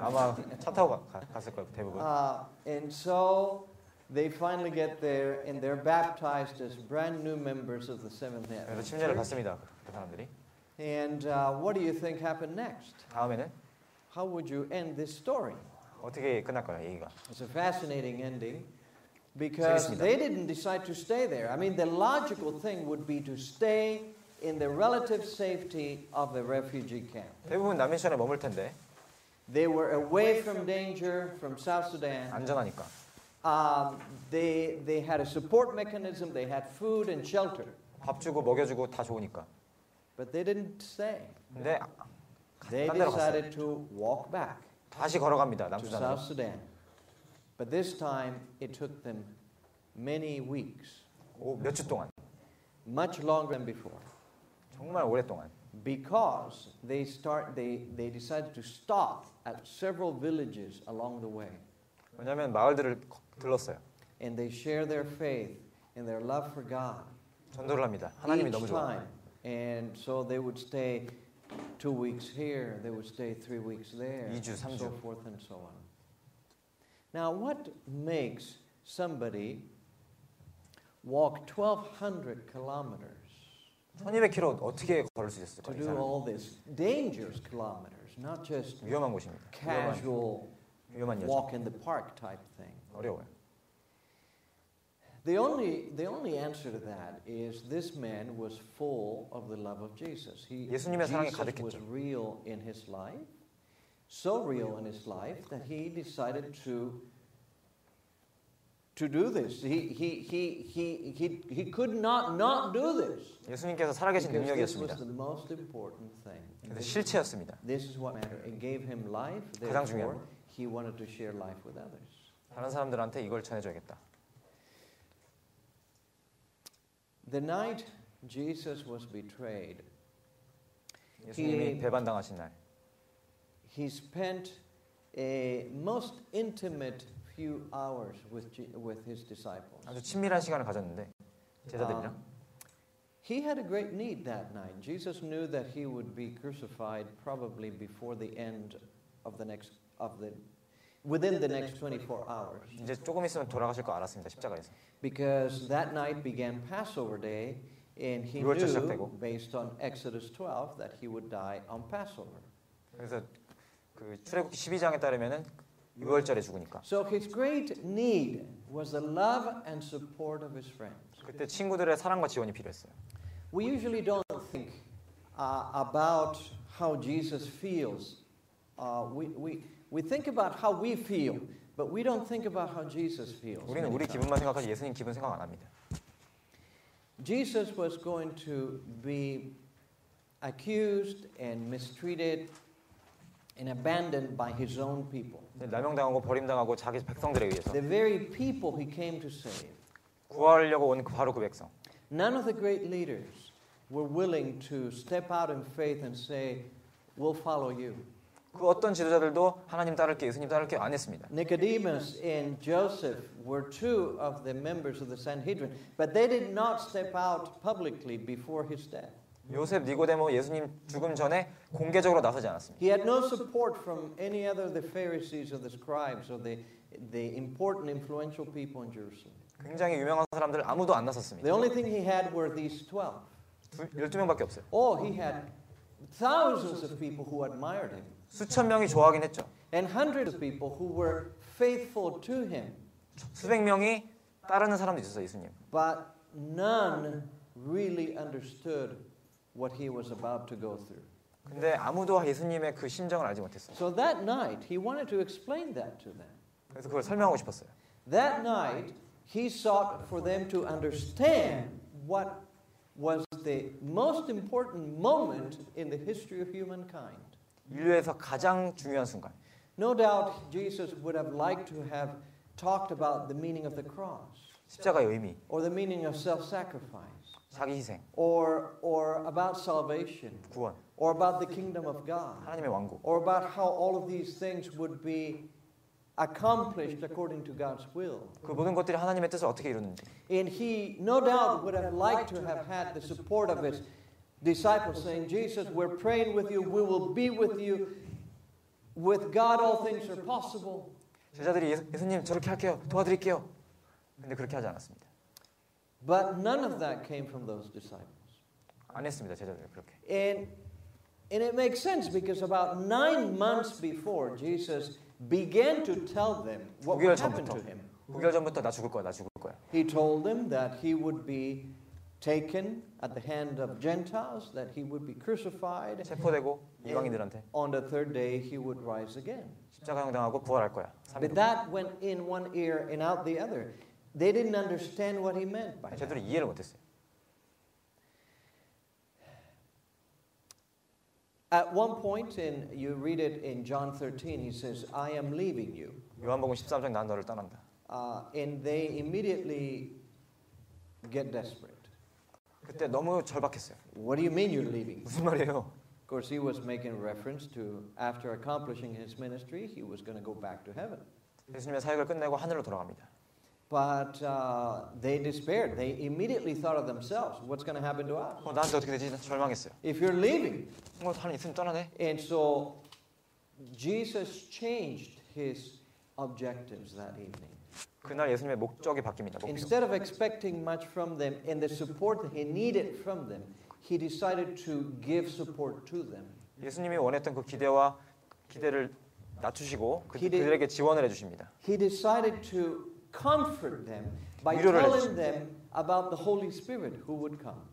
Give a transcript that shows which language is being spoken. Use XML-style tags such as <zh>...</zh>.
<ko>아마 차 타고 갔을 거예요, 대부분.</ko> <en>And so they finally get there and they're baptized as brand new members of the Seventh Adventist.</en> <ko>그래서 침례를 받습니다, 그 사람들이.</ko> <en>And what do you think happened next?</en> <ko>다음에는?</ko> <en>How would you end this story?</en> <ko>어떻게 끝날 거예요, 얘기가?</ko> <en>It's a fascinating ending. Because they didn't decide to stay there. I mean, the logical thing would be to stay in the relative safety of the refugee camp.</en> <ko>대부분 난민촌에 머물 텐데.</ko> <en>They were away from danger from South Sudan.</en> <ko>안전하니까.</ko> <en>They had a support mechanism. They had food and shelter.</en> <ko>밥 주고 먹여주고 다 좋으니까.</ko> <en>But they didn't stay.</en> <ko>근데</ko> <en>they decided to walk back.</en> <ko>다시 걸어갑니다. 남수단으로.</ko> <en>To South Sudan. But this time, it took them many weeks.</en> <ko>오, 몇 주 동안.</ko> <en>Much longer than before.</en> <ko>정말 오랫동안.</ko> <en>because they decided to stop at several villages along the way.</en> <ko>왜냐면 마을들을 들렀어요.</ko> <en>And they share their faith and their love for God.</en> <ko>전도를 합니다. 하나님이 너무 좋아요.</ko> <en>And so they would stay 2 weeks here, they would stay 3 weeks there,</en> <ko>2주, 3주.</ko> <en>So forth and so on. Now, what makes somebody walk 1,200 kilometers?</en> <ko>1,200km 어떻게 걸을 수 있었을까?</ko> <en>To do all this dangerous kilometers, not just casual walk in the park type thing.</en> <ko>어려워요.</ko> <en>The only answer to that is this man was full of the love of Jesus. He</en> <ko>예수님의</ko> <en>Jesus</en> <ko>사랑이 가득했죠.</ko> <en>Was real in his life, so real in his life that he decided to do this. He could not do this.</en> <ko>예수님께서 살아계신 능력이었습니다.</ko> <en>This was the most important thing.</en> <ko>그래서 실체였습니다.</ko> <en>This is what mattered. It gave him life. Therefore,</en> <ko>가장 중요한.</ko> <en>He wanted to share life with others.</en> <ko>다른 사람들한테 이걸 전해줘야겠다.</ko> <en>The night Jesus was betrayed,</en> <ko>예수님이 배반당하신 날,</ko> <en>he spent a most intimate few hours with his disciples.</en> <ko>아주 친밀한 시간을 가졌는데 제자들이랑.</ko> <en>He had a great need that night. Jesus knew that he would be crucified probably before the end of the next of the within the next 24 hours.</en> <ko>이제 조금 있으면 돌아가실 거 알았습니다. 십자가에서.</ko> <en>Because that night began Passover day, and he knew,</en> <ko>시작되고,</ko> <en>based on Exodus 12, that he would die on Passover.</en> <ko>그래서 그 출애굽기 12장에 따르면은 유월절에 죽으니까.</ko> <en>So his great need was the love and support of his friends.</en> <ko>그때 친구들의 사랑과 지원이 필요했어요.</ko> <en>We usually don't think about how Jesus feels. We think about how we feel. But we don't think about how Jesus feels.</en> <ko>우리는 우리 기분만 생각하지 예수님 기분 생각 안 합니다.</ko> <en>Jesus was going to be accused and mistreated and abandoned by his own people.</en> <ko>남용당하고 버림당하고 자기 백성들에 의해서.</ko> <en>The very people he came to save.</en> <ko>구하려고 온 바로 그 백성.</ko> <en>None of the great leaders were willing to step out in faith and say, "We'll follow you."</en> <ko>그 어떤 지도자들도 하나님 따를게, 예수님 따를게 안 했습니다.</ko> <en>Nicodemus and Joseph were two of the members of the Sanhedrin, but they did not step out publicly before his death.</en> <ko>요셉, 니고데모, 예수님 죽음 전에 공개적으로 나서지 않았습니다.</ko> <en>He had no support from any other of the Pharisees or the scribes or the important influential people in Jerusalem.</en> <ko>굉장히 유명한 사람들 아무도 안 나섰습니다.</ko> <en>The only thing he had were these 12.</en> <ko>12명밖에 없어요.</ko> <en>Oh, he had thousands of people who admired him.</en> <ko>수천 명이 좋아하긴 했죠.</ko> <en>And hundreds of people who were faithful to him.</en> <ko>수백 명이 따르는 사람도 있었어요, 예수님.</ko> <en>But none really understood what he was about to go through.</en> <ko>근데 아무도 예수님의 그 심정을 알지 못했어요.</ko> <en>So that night he wanted to explain that to them.</en> <ko>그래서 그걸 설명하고 싶었어요.</ko> <en>That night he sought for them to understand what was the most important moment in the history of humankind.</en> <ko>인류에서 가장 중요한 순간.</ko> <en>No doubt Jesus would have liked to have talked about the meaning of the cross.</en> <ko>십자가의 의미.</ko> <en>Or the meaning of self-sacrifice.</en> <ko>자기 희생.</ko> <en>Or about salvation.</en> <ko>구원.</ko> <en>Or about the kingdom of God.</en> <ko>하나님의 왕국.</ko> <en>Or about how all of these things would be accomplished according to God's will.</en> <ko>그 모든 것들이 하나님의 뜻을 어떻게 이루는지.</ko> <en>And he no doubt would have liked to have had the support of his disciples saying, "Jesus, we're praying with you. We will be with you. With God, all things are possible."</en> <ko>제자들이 예수님 저렇게 할게요, 도와드릴게요. 근데 그렇게 하지 않았습니다.</ko> <en>But none of that came from those disciples.</en> <ko>안 했습니다, 제자들 그렇게.</ko> <en>And it makes sense because about 9 months before Jesus began to tell them what happened to him.</en> <ko>9개월 전부터 나 죽을 거야, 나 죽을 거야.</ko> <en>He told them that he would be taken at the hand of Gentiles, that he would be crucified.</en> <ko>체포되고 이방인들한테.</ko> <en>On the third day, he would rise again.</en> <ko>십자가형 당하고 부활할 거야. 3일</ko> <en>But that went in one ear and out the other. They didn't understand what he meant by that.</en> <ko>제대로 이해를 못했어요.</ko> <en>At one point, in you read it in John 13, he says, "I am leaving you."</en> <ko>요한복음 13장 난 너를 떠난다.</ko> <en>And they immediately get desperate.</en> <ko>그때 너무 절박했어요.</ko> <en>What do you mean you're leaving?</en> <ko>무슨 말이에요?</ko> <en>Of course, he was making reference to after accomplishing his ministry, he was going to go back to heaven.</en> <ko>예수님의 사역을 끝내고 하늘로 돌아갑니다.</ko> <en>But they despaired. They immediately thought of themselves. What's going to happen to us?</en> <ko>나 어떻게 되지? 절망했어요.</ko> <en>If you're leaving,</en> <ko>뭐 하나님 있으면 떠나네.</ko> <en>And so Jesus changed his objectives that evening.</en> <ko>그날 예수님의 목적이 바뀝니다. 목표.</ko> <en>Instead of expecting much from them and the support that he needed from them, he decided to give support to them.</en> <ko>예수님이 원했던 그 기대와 기대를 낮추시고 그들에게 지원을 해주십니다.</ko> <en>He decided to comfort them by telling them about the Holy Spirit who would come.</en>